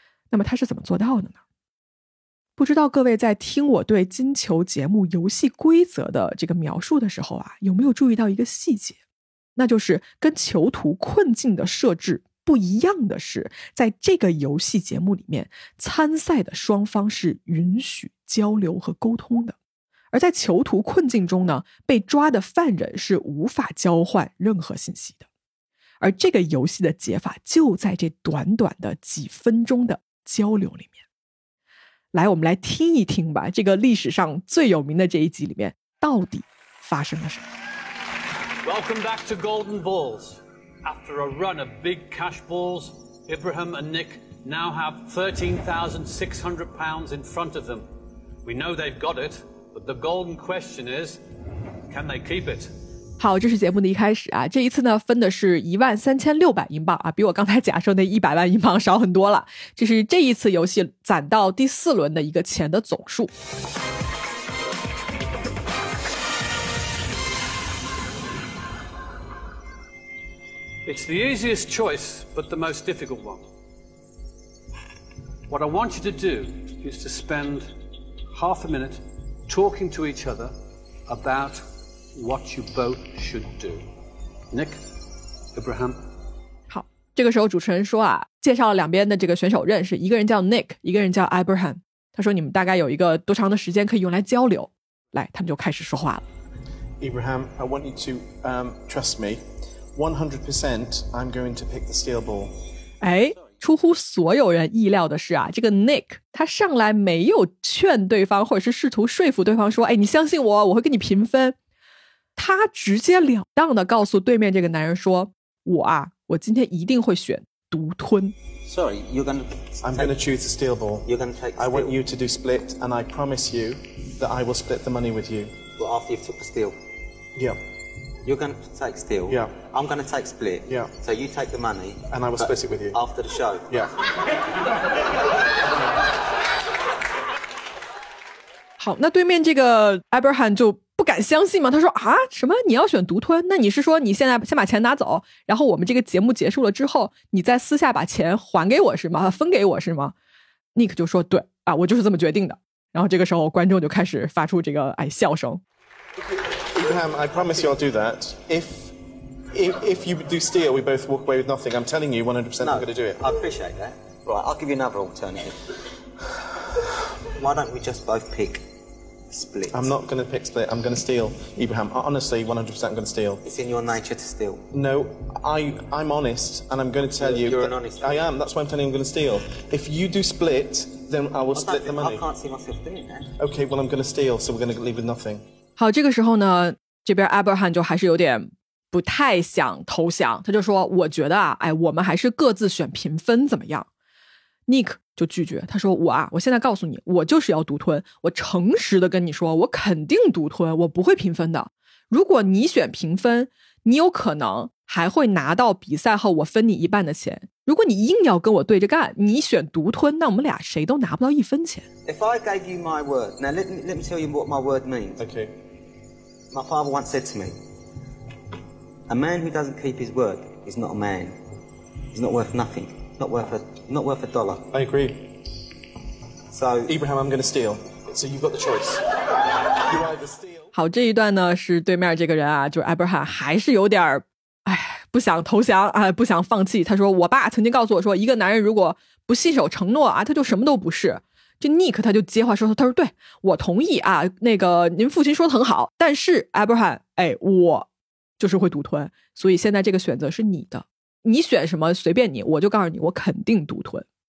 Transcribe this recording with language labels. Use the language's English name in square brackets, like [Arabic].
[Chinese] 那么他是怎么做到的呢？不知道各位在听我对金球节目游戏规则的这个描述的时候啊，有没有注意到一个细节，那就是跟囚徒困境的设置不一样的是，在这个游戏节目里面，参赛的双方是允许交流和沟通的，而在囚徒困境中呢，被抓的犯人是无法交换任何信息的。而这个游戏的解法就在这短短的几分钟的交流里面。来，我们来听一听吧，这个历史上最有名的这一集里面到底发生了什么。 [English] Welcome back to Golden Balls. After a run of big cash balls, Ibrahim and Nick now have £13,600 in front of them. We know they've got it, but the golden question is, can they keep it? [Chinese] 好，这是节目的一开始啊。这一次呢，分的是13,600英镑啊，比我刚才假设那100万英镑少很多了。这是这一次游戏攒到第四轮的一个钱的总数。 [English] It's the easiest choice, but the most difficult one. What I want you to do is to spend half a minute talking to each other about. What you both should do. Nick, Ibrahim. [Chinese] 好，这个时候主持人说啊，介绍了两边的这个选手认识，一个人叫 Nick, 一个人叫 Ibrahim. 他说你们大概有一个多长的时间可以用来交流。来，他们就开始说话了。 [English] Ibrahim, I want you to, trust me. 100% I'm going to pick the steel ball. [Chinese] 哎，出乎所有人意料的是啊，这个 Nick 他上来没有劝对方，或者是试图说服对方说，哎，你相信我，我会跟你平分。他直接了当地告诉对面这个男人说，我啊，我今天一定会选独吞。 [English] Sorry, you're gonna take... I'm gonna choose the steel ball. You're gonna take... I want you to do split, and I promise you that I will split the money with you. But after you've took the steel? Yeah. You're gonna take steel? Yeah. I'm gonna take split. Yeah. So you take the money. And I will split it with you. After the show? Yeah. [Chinese] 好，那对面这个 Abraham 就不敢相信吗？他说啊，什么你要选独吞？那你是说你现在先把钱拿走，然后我们这个节目结束了之后，你再私下把钱还给我是吗？分给我是吗？ Nick 就说对啊，我就是这么决定的。然后这个时候观众就开始发出这个哎笑声。 [English] Abraham, I promise you I'll do that. If you do steal, we both walk away with nothing. I'm telling you 100% I'm going to do it. I appreciate that. Right, I'll give you another alternative. Why don't we just both pick? Split. I'm not going to pick split. I'm going to steal, Ibrahim. Honestly, 100% I'm going to steal. It's in your nature to steal. No, I'm honest, and I'm going to tell you're you. You're an honest man. I am. That's why I'm telling you I'm going to steal. If you do split, then I will split the money. I can't see myself doing that. Okay, well, I'm going to steal, so we're going to leave with nothing. [Chinese] 好，这个时候呢，这边 Abraham 就还是有点不太想投降。他就说，我觉得啊，哎，我们还是各自选平分怎么样？ Nick. 就拒绝，他说我啊，我现在告诉你，我就是要独吞，我诚实的跟你说，我肯定独吞，我不会平分的。如果你选平分，你有可能还会拿到比赛后我分你一半的钱。如果你硬要跟我对着干，你选独吞，那我们俩谁都拿不到一分钱。 [English] If I gave you my word, now let me tell you what my word means. Okay. My father once said to me, A man who doesn't keep his word is not a man. He's not worth nothing. Not worth a dollar. I agree. So, Abraham, I'm going to steal. So you've got the choice. You either steal. [Chinese] 好，这一段呢是对面这个人啊，就是 Abraham 还是有点儿，哎，不想投降啊，不想放弃。他说：“我爸曾经告诉我说，一个男人如果不信守承诺啊，他就什么都不是。” 这 Nick 他就接话说，他说对我同意啊，那个您父亲说的很好，但是 Abraham 哎，我就是会独吞，所以现在这个选择是你的，你选什么随便你，我就告诉你我肯定独吞。